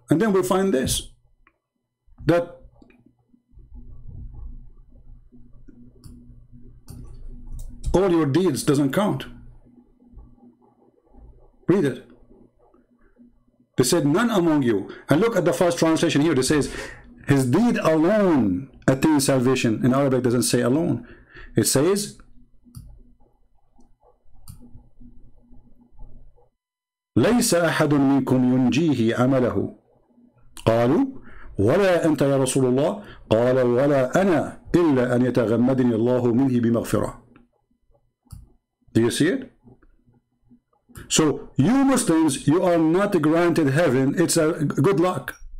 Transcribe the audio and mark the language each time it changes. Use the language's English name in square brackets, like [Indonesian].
[English] And then we find this, that all your deeds doesn't count. Read it. They said none among you. And look at the first translation here. It says his deed alone attains salvation. In Arabic, it doesn't say alone. It says [Arabic] لَيْسَ أَحَدٌ مِنْكُمْ يُنْجِيهِ عَمَلَهُ قَالُوا وَلَا أَنْتَ يَا رَسُولُ اللَّهِ قَالَ وَلَا أَنَا إِلَّا أَنْ يَتَغَمَّدْنِي اللَّهُ مِنْهِ بِمَغْفِرَةٍ. [English] Do you see it? So you Muslims, you are not granted heaven. It's a good luck.